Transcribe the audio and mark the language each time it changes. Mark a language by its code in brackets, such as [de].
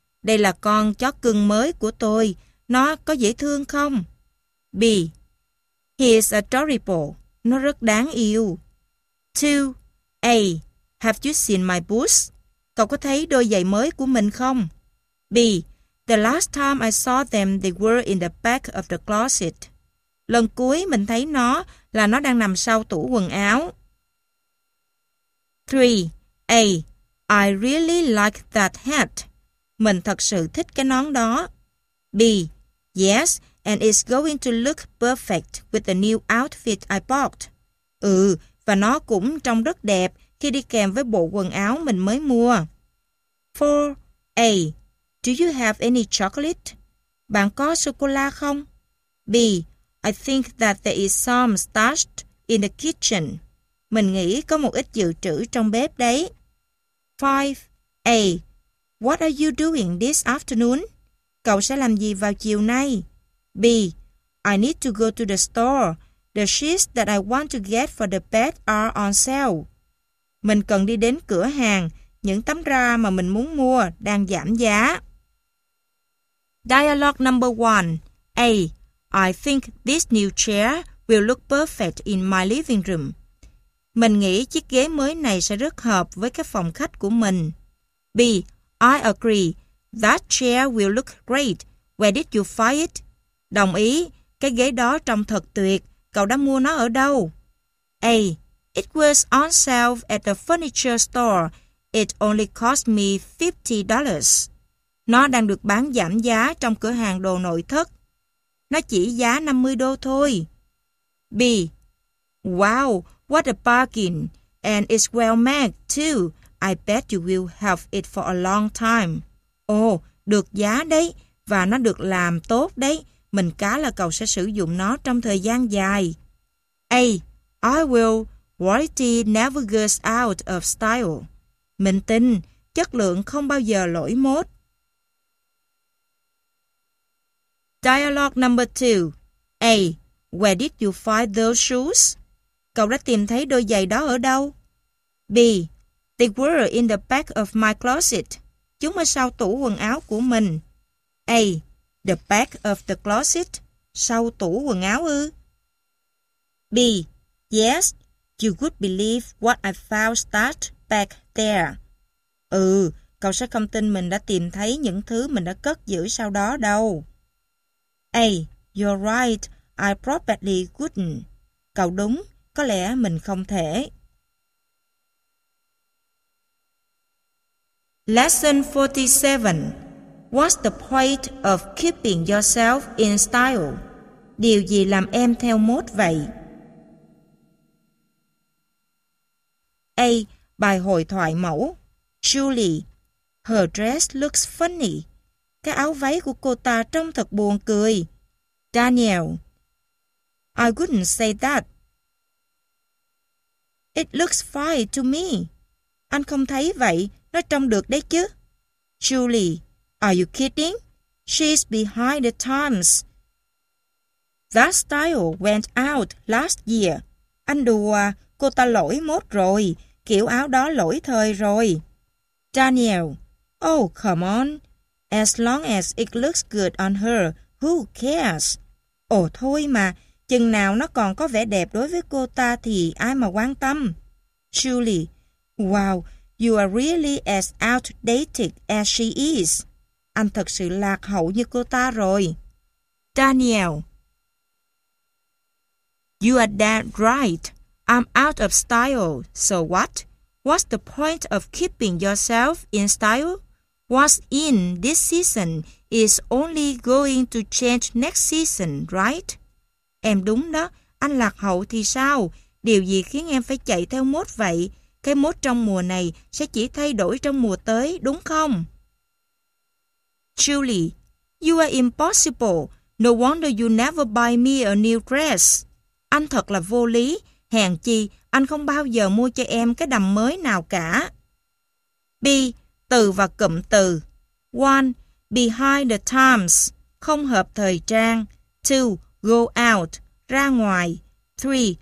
[vi] Đây là con chó cưng mới của tôi. Nó có dễ thương không? B. [en] He is adorable. [vi] Nó rất đáng yêu. [en] 2. A. Have you seen my boots? [vi] Cậu có thấy đôi giày mới của mình không? [en] B. The last time I saw them, they were in the back of the closet. [vi] Lần cuối mình thấy nó là nó đang nằm sau tủ quần áo. 3. A. [en] I really like that hat. [vi] Mình thật sự thích cái nón đó. [en] B. Yes, and it's going to look perfect with the new outfit I bought. [vi] Ừ, và nó cũng trông rất đẹp khi đi kèm với bộ quần áo mình mới mua. [en] 4. A. Do you have any chocolate? [vi] Bạn có sô-cô-la không? B. [en] I think that there is some starch in the kitchen. [vi] Mình nghĩ có một ít dự trữ trong bếp đấy. 5. A. [en] What are you doing this afternoon? [vi] Cậu sẽ làm gì vào chiều nay? [en] B. I need to go to the store. The sheets that I want to get for the bed are on sale. [vi] Mình cần đi đến cửa hàng. Những tấm ra mà mình muốn mua đang giảm giá. [en] Dialogue number 1. A. I think this new chair will look perfect in my living room. [vi] Mình nghĩ chiếc ghế mới này sẽ rất hợp với cái phòng khách của mình. [en] B. I agree. That chair will look great. Where did you find it? [vi] Đồng ý. Cái ghế đó trông thật tuyệt. Cậu đã mua nó ở đâu? A. [en] It was on sale at the furniture store. It only cost me $50. [vi] Nó đang được bán giảm giá trong cửa hàng đồ nội thất. Nó chỉ giá $50 thôi. B. [en] Wow, what a bargain. And it's well made too. I bet you will have it for a long time. [vi] Oh, được giá đấy. Và nó được làm tốt đấy. Mình cá là cậu sẽ sử dụng nó trong thời gian dài. A. [en] I will. Warranty never goes out of style. [vi] Mình tin, chất lượng không bao giờ lỗi mốt. [en] Dialogue number 2. A. Where did you find those shoes? [vi] Cậu đã tìm thấy đôi giày đó ở đâu? [en] B. They were in the back of my closet. [vi] Chúng ở sau tủ quần áo của mình. [en] A. The back of the closet. [vi] Sau tủ quần áo ư? [en] B. Yes, you would believe what I found that back there. [vi] Ừ, cậu sẽ không tin mình đã tìm thấy những thứ mình đã cất giữ sau đó đâu. [en] A. You're right. I probably wouldn't. [vi] Cậu đúng. Có lẽ mình không thể. [en] Lesson 47. What's the point of keeping yourself in style? [vi] Điều gì làm em theo mốt vậy? [en] A. [vi] Bài hội thoại mẫu. [en] Julie. Her dress looks funny. [vi] Cái áo váy của cô ta trông thật buồn cười. [en] Daniel. I wouldn't say that. It looks fine to me. [vi] Anh không thấy vậy. Nó trông được đấy chứ. Julie. [en] Are you kidding? She's behind the times. That style went out last year. [vi] Anh đùa. Cô ta lỗi mốt rồi. Kiểu áo đó lỗi thời rồi. Daniel. [en] Oh, come on. As long as it looks good on her, who cares? [vi] Ồ thôi mà, chừng nào nó còn có vẻ đẹp đối với cô ta thì ai mà quan tâm. [en] Julie. Wow, you are really as outdated as she is. [vi] Anh thật sự lạc hậu như cô ta rồi. [en] Daniel. You are dead right. I'm out of style, so what? What's the point of keeping yourself in style? What's in this season is only going to change next season, right? [vi] Em đúng đó, anh lạc hậu thì sao? Điều gì khiến em phải chạy theo mốt vậy? Cái mốt trong mùa này sẽ chỉ thay đổi trong mùa tới, đúng không? [en] Julie, you are impossible. No wonder you never buy me a new dress. [vi] Anh thật là vô lý. Hèn chi, anh không bao giờ mua cho em cái đầm mới nào cả. B. Từ và cụm từ. 1. [en] Behind the times. [vi] Không hợp thời trang. 2. [en] Go out. [vi] Ra ngoài. 3.